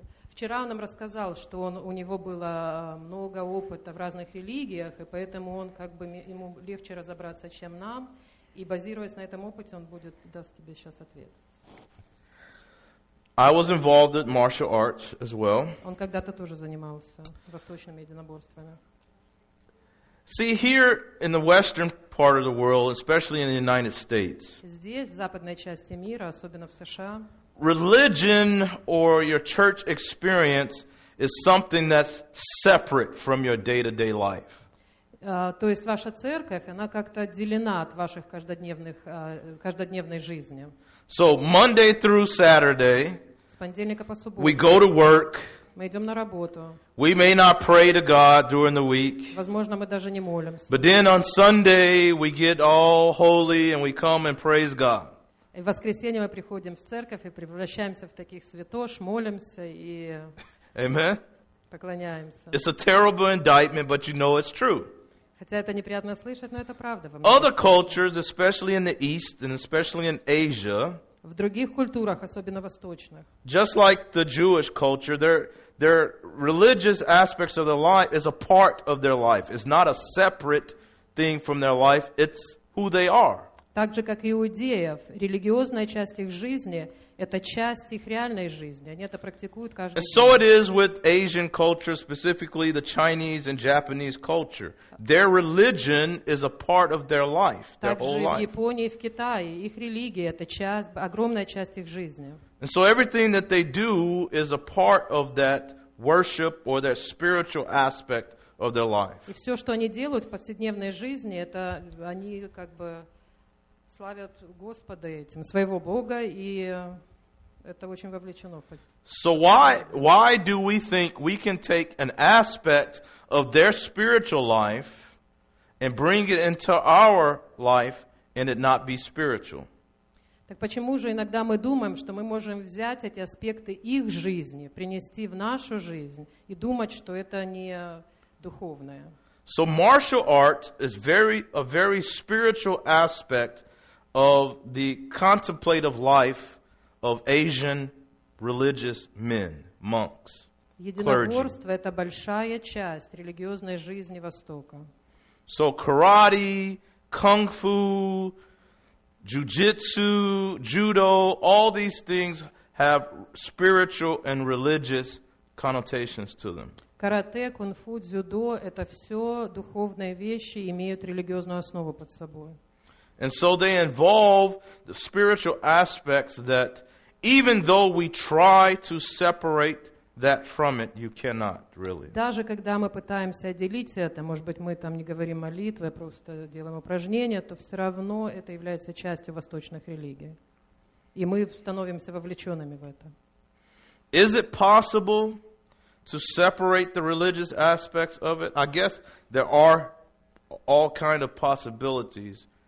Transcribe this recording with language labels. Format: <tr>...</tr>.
<ru>Вчера он нам рассказал, что он, у него было много опыта в разных религиях, и поэтому он как бы ему легче разобраться, чем нам. И базируясь на этом опыте, он будет даст тебе сейчас ответ.</ru> <en>I was involved in martial arts as well.</en> <ru>Он когда-то тоже занимался восточными единоборствами.</ru> <en>See, here in the western part of the world, especially in the United States.</en> <ru>Здесь, в западной части мира, особенно в США.</ru> <en>Religion or your church experience is something that's separate from your day-to-day life.</en> <ru>То есть ваша церковь, она как-то отделена от ваших каждодневной жизни.</ru> <en>So Monday through Saturday,</en> <ru>с понедельника по субботу,</ru> <en>we go to work.</en> <ru>Мы идем на работу.</ru> <en>We may not pray to God during the week.</en> <ru>Возможно, мы даже не молимся.</ru> <en>But then on Sunday, we get all holy and we come and praise God.</en> <ru>И в воскресенье мы приходим в церковь и превращаемся в таких святош, молимся и</ru> <en>Amen.</en> <ru>Поклоняемся.</ru> <en>It's a terrible indictment, but you know it's true.</en> <ru>Хотя это неприятно слышать, но это правда.</ru> <en>Other cultures, especially in the East and especially in Asia,</en> <ru>в других культурах, особенно восточных,</ru> <en>just like the Jewish culture, their religious aspects of their life is a part of their life. It's not a separate thing from their life. It's who they are.</en> <ru>Так же, как и иудеев, религиозная часть их жизни – это часть их реальной жизни. Они это практикуют каждый день.</ru> <en>So it is with Asian culture, specifically the Chinese and Japanese culture. Their religion is a part of their life, their whole life.</en> <ru>Так же в Японии и в Китае. Их религия – это часть, огромная часть их жизни.</ru> <en>And so everything that they do is a part of that worship or that spiritual aspect of their life.</en> <ru>И все, что они делают в повседневной жизни, это они как бы... славят Господа этим, своего Бога, и это очень вовлечено.</ru> <en>So why do we think we can take an aspect of their spiritual life and bring it into our life and it not be spiritual?</en> <ru>Так почему же иногда мы думаем, что мы можем взять эти аспекты их жизни, принести в нашу жизнь и думать, что это не духовное?</ru> <en>So martial art is a very spiritual aspect of the contemplative life of Asian religious men, monks,</en> <ru>Единоборство – это большая часть религиозной жизни Востока.</ru> <en>So karate, kung fu, jiu-jitsu, judo, all these things have spiritual and religious connotations to them.</en> <ru>Карате, кунг-фу, дзюдо – это все духовные вещи, имеют религиозную основу под собой.</ru> <en>And so they involve the spiritual aspects that even though we try to separate that from it, you cannot really.</en> <ru>Даже когда мы пытаемся отделить это, может быть, мы там не говорим молитвы, просто делаем упражнения, то все равно это является частью восточных религий. И мы становимся вовлеченными в это.</ru> <en>Is it possible to separate the religious aspects of it? I guess there are all kind of possibilities.</en>